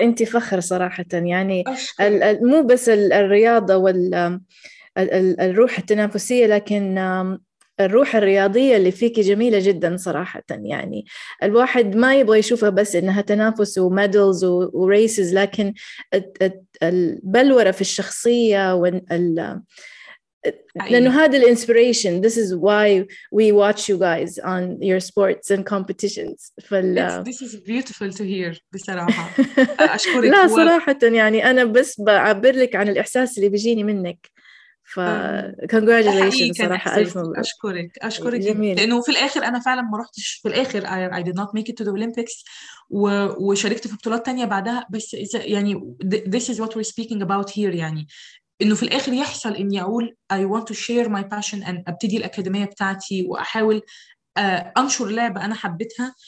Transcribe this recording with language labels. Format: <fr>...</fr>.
<ar>أنت فخر صراحة، يعني مو بس الرياضة والروح التنافسية، لكن الروح الرياضية اللي فيك جميلة جدا صراحة. يعني الواحد ما يبغى يشوفها بس إنها تنافس وميدلز وريسز، لكن البلورة في الشخصية لأنه هذا الانسبيريشن.</ar> <en>This is why we watch you guys on your sports and competitions. This is beautiful to hear</en> <ar>بصراحة. أشكرك. لا صراحة يعني أنا بس بعبر لك عن الإحساس اللي بيجيني منك. فكونجراتيليشن صراحة، ألف مبروك. أشكرك أشكرك جميل. لأنه في الآخر أنا فعلا ما رحتش في الآخر،</ar> <en>I did not make it to the Olympics،</en> <ar>وشاركت في بطولات تانية بعدها، بس يعني</ar> <en>this is what we're speaking about here،</en> <ar>يعني إنه في الآخر يحصل إني أقول</ar> <en>I want to share my passion and</en> <ar>أبتدي الأكاديمية بتاعتي وأحاول أنشر لعبة أنا حبيتها.</ar>